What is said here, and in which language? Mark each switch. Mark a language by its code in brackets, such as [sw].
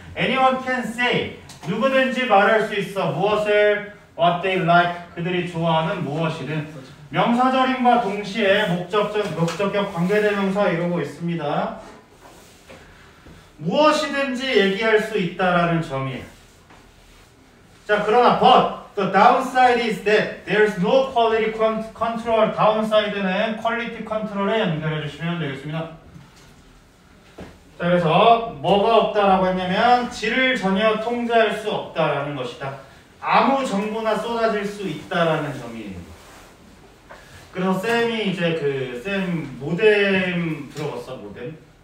[en] Anyone can say. [ko] 누구든지 말할 수 있어. 무엇을? [en] What they like. [ko] 그들이 좋아하는 무엇이든. 명사절임과 동시에 목적적, 목적격 관계대명사 이러고 있습니다. 무엇이든지 얘기할 수 있다라는 점이에요. 자, 그러나 [en] but the downside is that there's no quality control. [ko] downside는 quality control에 연결해 주시면 되겠습니다. 자, 그래서 뭐가 없다라고 했냐면 질을 전혀 통제할 수 없다라는 것이다. 아무 정보나 쏟아질 수 있다라는 점이에요. 그래서 쌤이 이제 그 쌤 모뎀 들어봤어? 모뎀?